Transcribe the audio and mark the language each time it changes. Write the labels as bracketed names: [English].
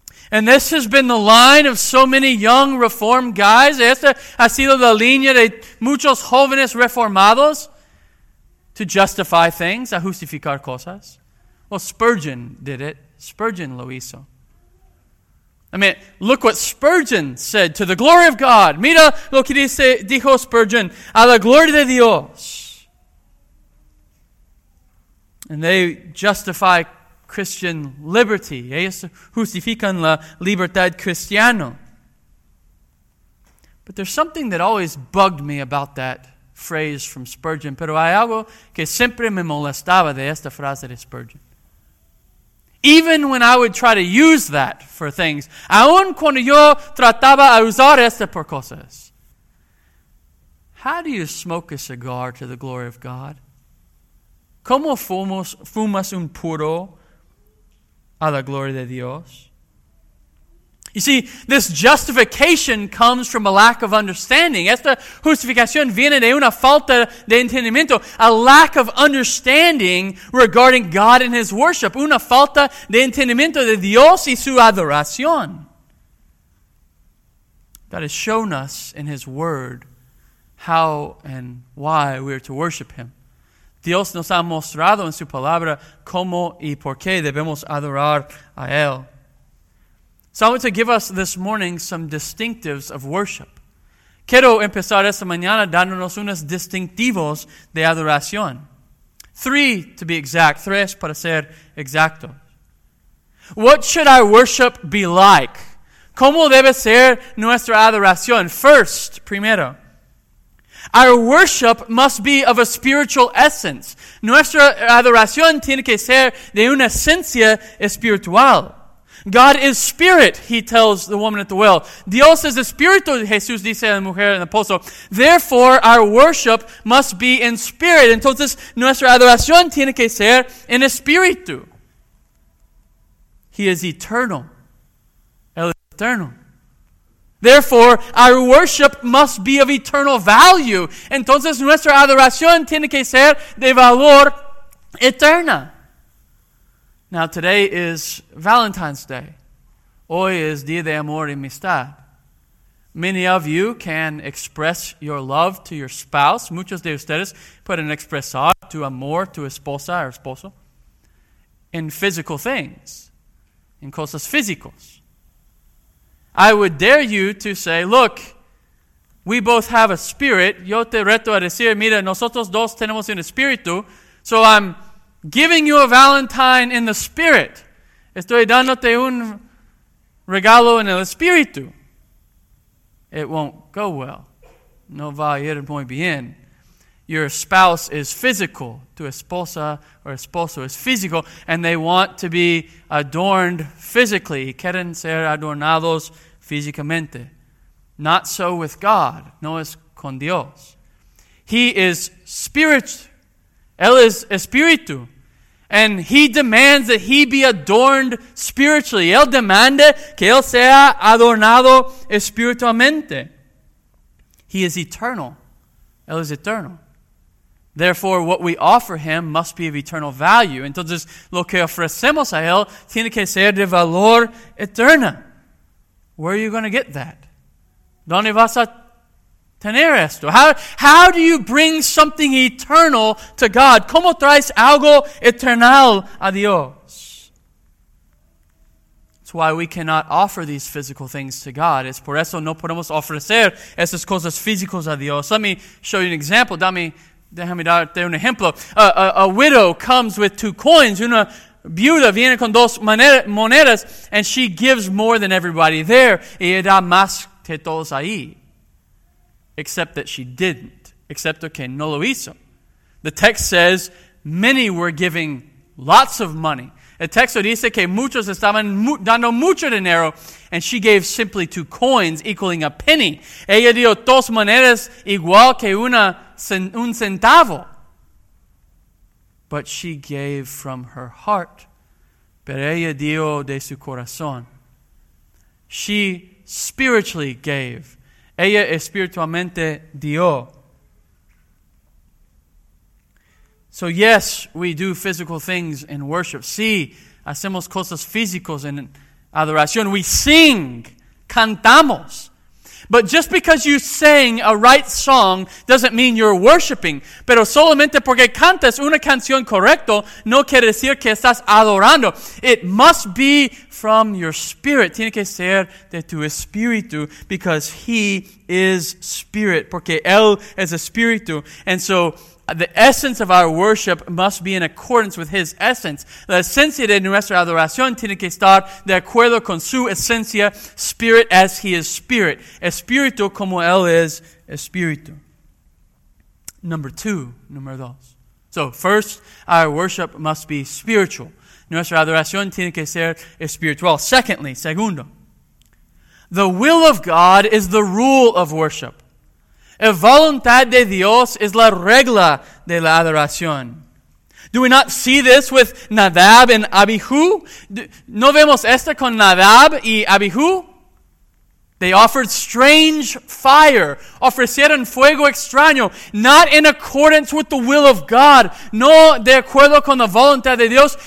[English] And this has been the line of so many young reformed guys. [Spanish] Esta ha sido la línea de muchos jóvenes reformados [English] to justify things, [Spanish] a justificar cosas. Well, Spurgeon did it. Spurgeon lo hizo. [English] I mean, look what Spurgeon said, to the glory of God. [Spanish] Mira lo que dice, dijo Spurgeon, a la gloria de Dios. [English] And they justify Christian liberty. [Spanish] Ellos justifican la libertad cristiana. [English] But there's something that always bugged me about that phrase from Spurgeon. [Spanish] Pero hay algo que siempre me molestaba de esta frase de Spurgeon. [English] Even when I would try to use that for things, [Spanish] aun cuando yo trataba a usar esta por cosas. [English] How do you smoke a cigar to the glory of God? [Spanish] ¿Cómo fumas un puro a la gloria de Dios? [English] You see, this justification comes from a lack of understanding. [Spanish] Esta justificación viene de una falta de entendimiento. [English] A lack of understanding regarding God and his worship. [Spanish] Una falta de entendimiento de Dios y su adoración. [English] God has shown us in his word how and why we are to worship him. [Spanish] Dios nos ha mostrado en su palabra cómo y por qué debemos adorar a él. [English] So I want to give us this morning some distinctives of worship. [Spanish] Quiero empezar esta mañana dándonos unos distintivos de adoración. [English] Three to be exact, [Spanish] tres para ser exacto. [English] What should our worship be like? [Spanish] ¿Cómo debe ser nuestra adoración? [English] First, [Spanish] primero. [English] Our worship must be of a spiritual essence. [Spanish] Nuestra adoración tiene que ser de una esencia espiritual. [English] God is spirit, he tells the woman at the well. [Spanish] Dios es espíritu, Jesús dice a la mujer en el pozo. [English] Therefore, our worship must be in spirit. [Spanish] Entonces, nuestra adoración tiene que ser en espíritu. [English] He is eternal. [Spanish] Él es eterno. [English] Therefore, our worship must be of eternal value. [Spanish] Entonces, nuestra adoración tiene que ser de valor eterna. [English] Now, today is Valentine's Day. [Spanish] Hoy es Día de Amor y Amistad. [English] Many of you can express your love to your spouse. [Spanish] Muchos de ustedes pueden expresar tu amor, tu esposa, [English] or esposo. in physical things, in [Spanish] cosas físicos. [English] I would dare you to say, look, we both have a spirit. [Spanish] Yo te reto a decir, mira, nosotros dos tenemos un espíritu. [English] So I'm giving you a Valentine in the spirit. [Spanish] Estoy dándote un regalo en el espíritu. [English] It won't go well. [Spanish] No va a ir muy bien. [English] Your spouse is physical. [Spanish] Tu esposa [English] or esposo is physical. And they want to be adorned physically. [Spanish] Quieren ser adornados físicamente. [English] Not so with God. [Spanish] No es con Dios. [English] He is spirit. [Spanish] Él es espíritu. [English] And he demands that he be adorned spiritually. [Spanish] Él demanda que él sea adornado espiritualmente. [English] He is eternal. [Spanish] Él es eternal. [English] Therefore, what we offer him must be of eternal value. [Spanish] Entonces, lo que ofrecemos a él tiene que ser de valor eterno. [English] Where are you going to get that? [Spanish] ¿Dónde vas a tener esto? [English] How do you bring something eternal to God? [Spanish] ¿Cómo traes algo eternal a Dios? [English] It's why we cannot offer these physical things to God. [Spanish] Es por eso no podemos ofrecer esas cosas físicas a Dios. [English] Let me show you an example. [Spanish] Déjame darte un ejemplo. [English] A widow comes with two coins. [Spanish] Una viuda viene con dos monedas [English] and she gives more than everybody there. [Spanish] Y ella da más que todos ahí. [English] Except that she didn't. [Spanish] Excepto que no lo hizo. [English] The text says many were giving lots of money. [Spanish] El texto dice que muchos estaban dando mucho dinero. [English] And she gave simply two coins, equaling a penny. [Spanish] Ella dio dos monedas igual que un centavo. [English] But she gave from her heart. [Spanish] Pero ella dio de su corazón. [English] She spiritually gave. [Spanish] Ella espiritualmente dio. [English] So yes, we do physical things in worship. [Spanish] Sí, hacemos cosas físicas en adoración. [English] We sing, [Spanish] cantamos. [English] But just because you sang a right song doesn't mean you're worshiping. Pero solamente porque cantas una canción correcta no quiere decir que estás adorando. It must be from your spirit. [Spanish] Tiene que ser de tu espíritu [English] because he is spirit. [Spanish] Porque él es espíritu. [English] And so the essence of our worship must be in accordance with his essence. [Spanish] La esencia de nuestra adoración tiene que estar de acuerdo con su esencia, [English] spirit as he is spirit. [Spanish] Espíritu como él es espíritu. Número dos. [English] So first, our worship must be spiritual. [Spanish] Nuestra adoración tiene que ser espiritual. Segundo, [English] the will of God is the rule of worship. [Spanish] La voluntad de Dios es la regla de la adoración. [English] Do we not see this with Nadab and Abihu? [Spanish] ¿No vemos esto con Nadab y Abihu? [English] They offered strange fire. [Spanish] Ofrecieron fuego extraño. [English] Not in accordance with the will of God. [Spanish] No de acuerdo con la voluntad de Dios.